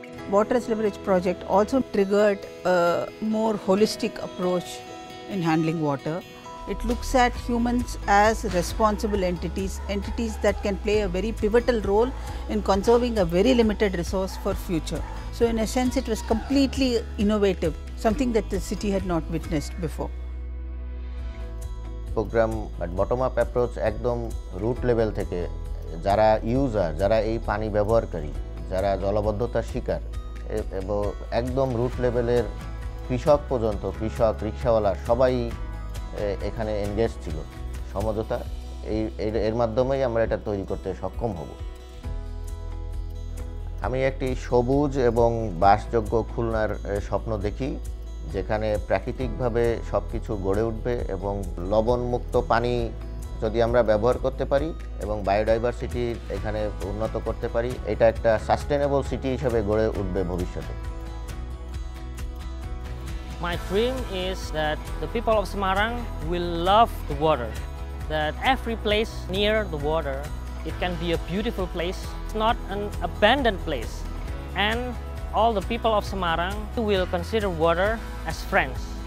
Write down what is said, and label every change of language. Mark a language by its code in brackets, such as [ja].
[en] Water Leverage project also triggered a more holistic approach in handling water. It looks at humans as responsible entities that can play a very pivotal role in conserving a very limited resource for future. So in a sense, it was completely innovative, something that the city had not witnessed before. Program at bottom-up approach, [bn] একদম root level থেকে, যারা user, যারা এই পানি ব্যবহার করি, যারা জলাবদ্ধতা শিকার, এবং একদম root levelের কৃষক পর্যন্ত, কৃষক, রিকশাওয়ালা, সবাই এখানে engaged ছিল, সমঝোতা, এর মাধ্যমেই আমরা এটা তৈরি করতে সক্ষম হব। আমি একটি সবুজ এবং বাসযোগ্য খুলনার স্বপ্ন দেখি যেখানে প্রাকৃতিকভাবে সবকিছু গড়ে উঠবে এবং লবণমুক্ত পানি যদি আমরা ব্যবহার করতে পারি এবং বায়োডাইভার্সিটি এখানে উন্নত করতে পারি এটা একটা সাস্টেনেবল সিটি হিসেবে গড়ে উঠবে ভবিষ্যতে [en] My dream is that the people of Semarang will love the water that every place near the water it can be a beautiful place not an abandoned place and all the people of Semarang will consider water as friends.